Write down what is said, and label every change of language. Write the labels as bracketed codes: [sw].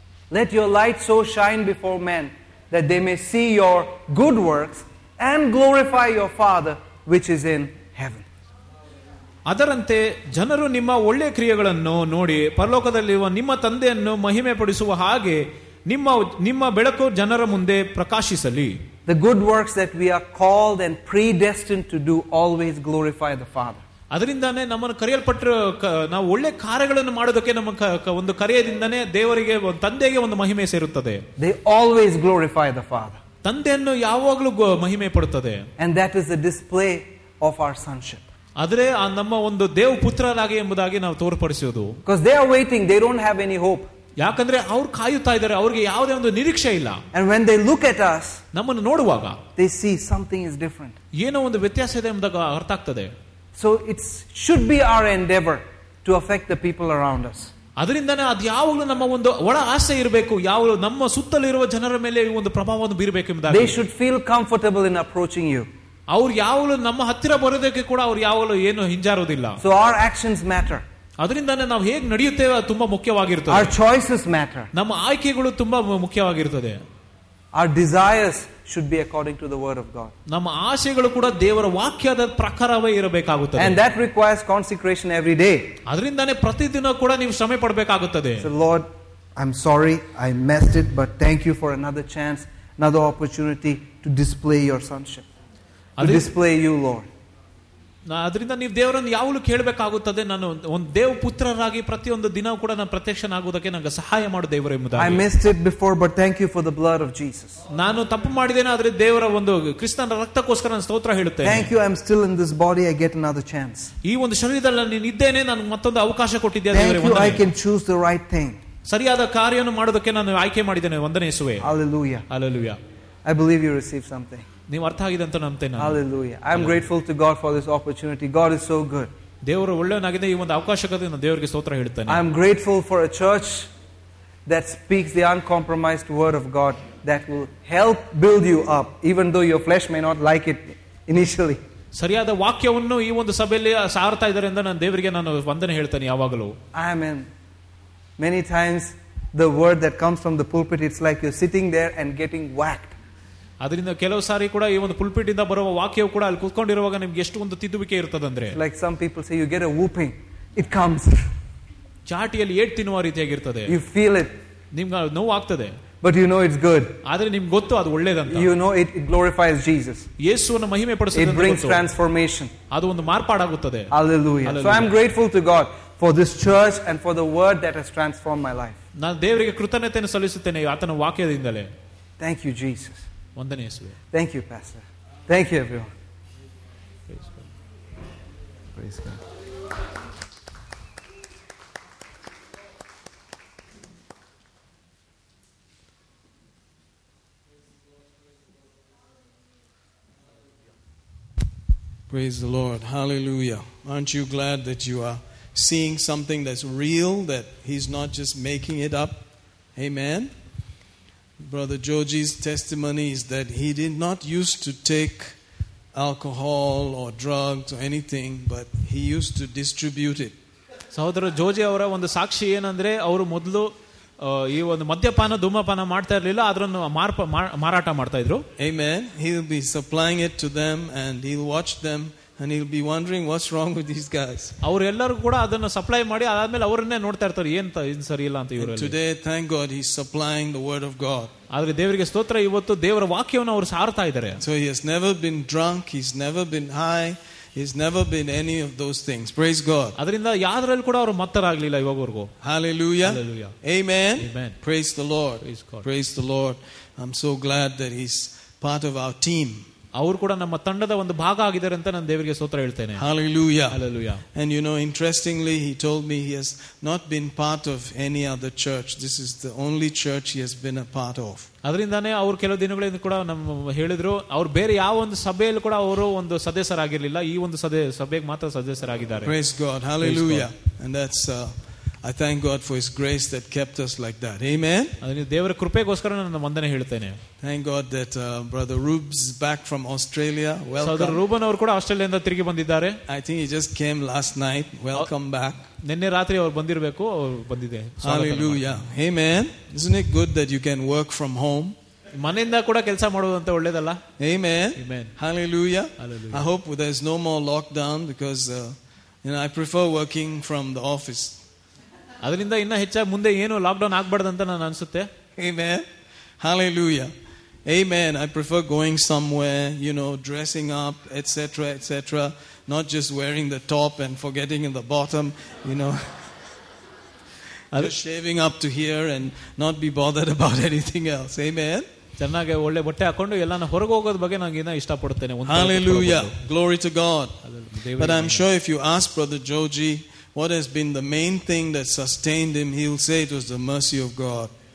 [en] Let your light so shine before men that they may see your good works and glorify your Father which is in heaven. [kn] ಅದರಂತೆ ಜನರು ನಿಮ್ಮ ಒಳ್ಳೆ ಕ್ರಿಯೆಗಳನ್ನು ನೋಡಿ ಪರಲೋಕದಲ್ಲಿರುವ ನಿಮ್ಮ ತಂದೆಯನ್ನು ಮಹಿಮೆ ಪಡಿಸುವ ಹಾಗೆ ನಿಮ್ಮ ಬೆಳಕು ಜನರ ಮುಂದೆ ಪ್ರಕಾಶಿಸಲಿ. [en] The good works that we are called and predestined to do always glorify the Father. [kn] ಅದರಿಂದಾನೇ ನಮ್ಮನ್ನು ಕರೆಯಲ್ಪಟ್ಟು ನಾವು ಒಳ್ಳೆ ಕಾರ್ಯಗಳನ್ನು ಮಾಡೋದಕ್ಕೆ ನಮ್ಮ ಒಂದು ಕರೆಯದಿಂದನೇ ದೇವರಿಗೆ ತಂದೆಗೆ ಒಂದು ಮಹಿಮೆ ಸೇರುತ್ತದೆ. [en] They always glorify the Father. [kn] ತಂದೆಯನ್ನು ಯಾವಾಗಲೂ ಮಹಿಮೆ ಪಡುತ್ತದೆ. [en] And that is the display of our sonship. [kn] ಆದರೆ ಆ ನಮ್ಮ ಒಂದು ದೇವ ಪುತ್ರರಾಗಿ ಎಂಬುದಾಗಿ ನಾವು ತೋರ್ಪಡಿಸುವುದು. [en] Because they are waiting, they don't have any hope. [kn] ಯಾಕಂದ್ರೆ ಅವ್ರು ಕಾಯುತ್ತಾ ಇದ್ದಾರೆ, ಅವ್ರಿಗೆ ಯಾವುದೇ ಒಂದು ನಿರೀಕ್ಷೆ ಇಲ್ಲ. [en] And when they look at us, [kn] ನಮ್ಮನ್ನು ನೋಡುವಾಗ [en] they see something is different. [kn] ಏನೋ ಒಂದು ವ್ಯತ್ಯಾಸ ಇದೆ ಎಂಬುದಾಗ ಅರ್ಥ ಆಗ್ತದೆ. [en] So it should be our endeavor to affect the people around us. [kn] ಅದರಿಂದನೆ ಅದು ಯಾವಾಗಲೂ ನಮ್ಮ ಒಂದು ಒಳ ಆಸೆ ಇರಬೇಕು, ಯಾವಾಗಲೂ ನಮ್ಮ ಸುತ್ತಲಿರುವ ಜನರ ಮೇಲೆ ಈ ಒಂದು ಪ್ರಭಾವವನ್ನು ಬೀರಬೇಕು ಎಂಬುದಾಗಿ. [en] They should feel comfortable in approaching you. [kn] ಅವ್ರು ಯಾವಾಗಲೂ ನಮ್ಮ ಹತ್ತಿರ ಬರೋದಕ್ಕೆ ಕೂಡ ಅವ್ರು ಯಾವಾಗಲೂ ಏನು ಹಿಂಜಾರೋದಿಲ್ಲ. [en] So our actions matter. [kn] ಅದರಿಂದಾನೇ ನಾವು ಹೇಗೆ ನಡೆಯುತ್ತೇವೆ ತುಂಬಾ ಮುಖ್ಯವಾಗಿರುತ್ತದೆ. [en] Our choices matter. [kn] ನಮ್ಮ ಆಯ್ಕೆಗಳು ತುಂಬಾ ಮುಖ್ಯವಾಗಿರುತ್ತದೆ. [en] Our desires should be according to the word of God. [kn] ನಮ್ಮ ಆಸೆಗಳು ಕೂಡ ದೇವರ ವಾಕ್ಯದ ಪ್ರಕಾರವೇ ಇರಬೇಕಾಗುತ್ತದೆ. [en] And that requires consecration every day. [kn] ಅದರಿಂದಾನೇ ಪ್ರತಿದಿನ ಕೂಡ ನೀವು ಶ್ರಮೆ ಪಡಬೇಕಾಗುತ್ತದೆ. [en] So Lord, I'm sorry I messed it, but thank you for another chance, another opportunity to display your sonship. To display you, Lord. [kn] ಅದರಿಂದ ನೀವು ದೇವರನ್ನು ಯಾವಾಗಲೂ ಕೇಳಬೇಕಾಗುತ್ತದೆ. ನಾನು ಒಂದು ದೇವ ಪುತ್ರರಾಗಿ ಪ್ರತಿಯೊಂದು ದಿನ ಕೂಡ ನಾನು ಪ್ರತ್ಯಕ್ಷನಾಗುವುದಕ್ಕೆ ನನಗೆ ಸಹಾಯ ಮಾಡು ದೇವರು ಎಂಬುದಾಗಿ. [en] I missed it before, but thank you for the blood of Jesus. [kn] ನಾನು ತಪ್ಪು ಮಾಡಿದ್ದೇನೆ, ಆದರೆ ದೇವರ ಒಂದು ಕ್ರಿಸ್ತನ ರಕ್ತಕ್ಕೋಸ್ಕರ ನಾನು ಸ್ತೋತ್ರ ಹೇಳುತ್ತೇನೆ. [en] Thank you, I'm still in this body, I get another chance. [kn] ಈ ಒಂದು ಶರೀರದಲ್ಲಿ ನಾನು ಇದ್ದೇನೆ, ನಾನು ಮತ್ತೊಂದು ಅವಕಾಶ ಕೊಟ್ಟಿದ್ದೇನೆ. [en] Thank you, I can choose the right thing. [kn] ಸರಿಯಾದ ಕಾರ್ಯವನ್ನು ಮಾಡೋದಕ್ಕೆ ನಾನು ಆಯ್ಕೆ ಮಾಡಿದ್ದೇನೆ. ವಂದನೆ ಯೇಸುವೆ. [en] Hallelujah. Hallelujah. I believe you receive something. [kn] ನೀವು ಅರ್ಥ ಆಗಿದೆ ಅಂತ ನಂಬ್ತೇನೆ. [en] Hallelujah. I am grateful to God for this opportunity. God is so good. [kn] ದೇವರು ಒಳ್ಳೆಯವನಾಗಿದೆ. ಈ ಒಂದು ಅವಕಾಶಕ್ಕಾಗಿ ನಾನು ದೇವರಿಗೆ ಸ್ತೋತ್ರ ಹೇಳುತ್ತೇನೆ. [en] I am grateful for a church that speaks the uncompromised word of God that will help build you up even though your flesh may not like it initially. [kn] ಸರಿಯಾದ ವಾಕ್ಯವನ್ನು ಈ ಒಂದು ಸಭೆಯಲ್ಲಿ ಸಾರ್ತಾ ಇದ್ದಾರೆ ಅಂತ ನಾನು ದೇವರಿಗೆ ನಾನು ವಂದನೆ ಹೇಳ್ತೇನೆ ಯಾವಾಗಲೂ. [en] I am in many times the word that comes from the pulpit, it's like you're sitting there and getting whacked. [kn] ಅದರಿಂದ ಕೆಲವು ಸಾರಿ ಕೂಡ ಈ ಒಂದು ಪುಲ್ಪಿಟ್ ಇಂದ ಬರುವ ವಾಕ್ಯವು ಕೂಡ ಅಲ್ಲಿ ಕೂತ್ಕೊಂಡಿರುವಾಗ ನಿಮ್ಗೆ ಎಷ್ಟು ಒಂದು ತಿದ್ದುವಿಕೆ ಇರ್ತದಂದ್ರೆ [en] like some people say you get a whooping it comes [kn] ಚಾಟಿಯಲ್ಲಿ eight ತಿನ್ನುವ ರೀತಿಯಾಗಿರ್ತದೆ. [en] you feel it, [kn] ನಿಮ್ಗೆ ನೋವು ಆಗ್ತದೆ. [en] But you know it's good. [kn] ಆದರೆ ನಿಮ್ಗೆ ಗೊತ್ತು ಅದು ಒಳ್ಳೇದಂತ. [en] You know it glorifies Jesus. [kn] ಯೇಸುವನ್ನು ಮಹಿಮೆ ಪಡಿಸುತ್ತದೆ. [en] It brings transformation. [kn] ಅದು ಒಂದು ಮಾರ್ಪಾಡಾಗುತ್ತದೆ. [en] Hallelujah. So I'm grateful to God for this church and for the word that has transformed my life. [kn] ನಾನು ದೇವರಿಗೆ ಕೃತಜ್ಞತೆಯನ್ನು ಸಲ್ಲಿಸುತ್ತೇನೆ ಆತನ ವಾಕ್ಯದಿಂದಲೇ. [en] Thank you, Jesus. [kn] ವಂದನೆ ಯೇಸುವೆ. [en] Thank you, Pastor. Thank you, everyone. Praise God. Praise God. Praise the Lord. Hallelujah. Aren't you glad that you are seeing something that's real, that he's not just making it up? Amen. Brother Joji's testimony is that he did not used to take alcohol or drugs or anything, but he used to distribute it. [kn] ಸಹೋದರ ಜೋಜಿ ಅವರ ಒಂದು ಸಾಕ್ಷಿ ಏನಂದ್ರೆ, ಅವರು ಮೊದಲು ಈ ಒಂದು ಮದ್ಯಪಾನ ಧೂಮಪಾನ ಮಾಡ್ತಾ ಇರಲಿಲ್ಲ, ಅದರನ್ನು ಮಾರಾಟ ಮಾಡ್ತಾ ಇದ್ರು. [en] Amen. He'll be supplying it to them and he'll watch them and he'll be wondering what's wrong with these guys. [kn] ಅವರು ಎಲ್ಲರೂ ಕೂಡ ಅದನ್ನು ಸಪ್ಲೈ ಮಾಡಿ ಅದಾದ್ಮೇಲೆ ಅವರನ್ನೇ ನೋಡ್ತಾ ಇರ್ತಾರೆ, ಏನ್ ಸರಿ ಇಲ್ಲ ಅಂತ. [en] Today, thank God, he's supplying the word of God. [kn] ಆದ್ರೆ ದೇವರಿಗೆ ಸ್ತೋತ್ರ, ಇವತ್ತು ದೇವರ ವಾಕ್ಯವನ್ನು ಅವರು ಸಾರ್ತಾ ಇದ್ದಾರೆ. [en] So he has never been drunk, he's never been high, he's never been any of those things. Praise God. [kn] ಅದರಿಂದ ಯಾವುದರಲ್ಲಿ ಕೂಡ ಅವರು ಮತ್ತರಾಗಲಿಲ್ಲ ಇವಾಗವರೆಗೂ. [en] Hallelujah. Hallelujah. Amen. Amen. Praise the Lord. Praise God. Praise the Lord. I'm so glad that he's part of our team. [kn] ಅವರು ಕೂಡ ನಮ್ಮ ತಂಡದ ಒಂದು ಭಾಗ ಆಗಿದ್ದಾರೆ ಅಂತ ನಾನು ದೇವರಿಗೆ ಸ್ತೋತ್ರ ಹೇಳ್ತೇನೆ. [en] Hallelujah. Hallelujah. And you know, interestingly, he told me he has not been part of any other church. This is the only church he has been a part of. [kn] ಅದರಿಂದಾನೇ ಅವರು ಕೆಲವು ದಿನಗಳಿಂದ ಕೂಡ ನಮ್ಮ ಹೇಳಿದ್ರು, ಅವ್ರು ಬೇರೆ ಯಾವ ಒಂದು ಸಭೆಯಲ್ಲಿ ಕೂಡ ಅವರು ಒಂದು ಸದಸ್ಯರಾಗಿರಲಿಲ್ಲ, ಈ ಒಂದು ಸಭೆಗೆ ಮಾತ್ರ ಸದಸ್ಯರಾಗಿದ್ದಾರೆ. [en] Praise God. Hallelujah. And that's I thank God for his grace that kept us like that. Amen. [kn] ಅದನ್ನ ದೇವರ ಕೃಪೆಗೋಸ್ಕರ ನಾನು ವಂದನೆ ಹೇಳ್ತೇನೆ. [en] Thank God that brother Rubes is back from Australia. Welcome. [kn] ಸಹೋದರ ರೂಬನ್ ಅವರು ಕೂಡ ಆಸ್ಟ್ರೇಲಿಯಾದಿಂದ ತಿರುಗಿ ಬಂದಿದ್ದಾರೆ. [en] I think he just came last night. Welcome back. [kn] ನಿನ್ನೆ ರಾತ್ರಿ ಅವರು ಬಂದಿರಬೇಕು, ಅವರು ಬಂದಿದೆ. [en] Hallelujah. Amen. Isn't it good that you can work from home? [kn] ಮನೆಯಿಂದ ಕೂಡ ಕೆಲಸ ಮಾಡುವುದಂತ ಒಳ್ಳೇದಲ್ಲ. [en] Amen. Amen. Hallelujah. Hallelujah. I hope there is no more lockdown because you know, I prefer working from the office. [kn] ಅದರಿಂದ ಇನ್ನ ಹೆಚ್ಚಾಗಿ ಮುಂದೆ ಏನು lockdown ಆಗ್ಬಾರ್ದಂತ ನಾನು ಅನ್ಸುತ್ತೆ. [en] Amen. Hallelujah. Amen. I prefer going somewhere, you know, dressing up, etc., etc., not just wearing the top and forgetting in the bottom, you know. Just shaving up to here and not be bothered about anything else. Amen. [kn] ಚೆನ್ನಾಗಿ ಒಳ್ಳೆ ಬಟ್ಟೆ ಹಾಕೊಂಡು ಎಲ್ಲಾನ ಹೊರಗೆ ಹೋಗೋದ ಬಗ್ಗೆ ನನಗೆ ಇನ್ನ ಇಷ್ಟಪಡ್ತೇನೆ. [en] Hallelujah. Glory to God. But I'm sure if you ask Brother Joji, what has been the main thing that sustained him, he'll say it was the mercy of God.